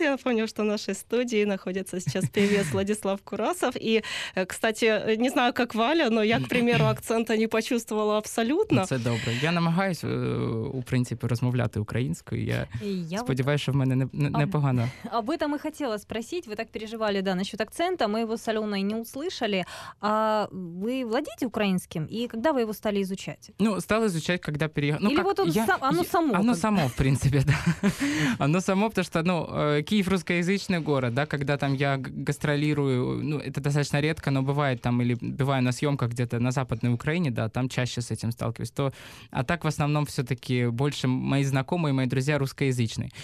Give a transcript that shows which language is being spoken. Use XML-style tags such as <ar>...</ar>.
<ru>Я напомню, что в нашей студии находится сейчас певец Владислав Курасов. И, кстати, не знаю, как Валя, но я, к примеру, акцента не почувствовала абсолютно.</ru> <uk>Це добре. Я намагаюся, в принципі, розмовляти українською. Я сподіваюся, що в мене непогано.</uk> <ru>Об этом и хотела спросить. Вы так переживали, да, насчет акцента. Мы его с Аленой не услышали. А вы владеете украинским? И когда вы его стали изучать? Ну, стал изучать, когда переехал. Ну, или как? Вот он оно само? Оно само, в принципе, да. Оно само, потому что, ну, Киев русскоязычный город, да, когда там я гастролирую, ну, это достаточно редко, но бывает там, или бываю на съемках где-то на Западной Украине, да, там чаще с этим сталкиваюсь, то, а так в основном все-таки больше мои знакомые, мои друзья русскоязычные.</ru>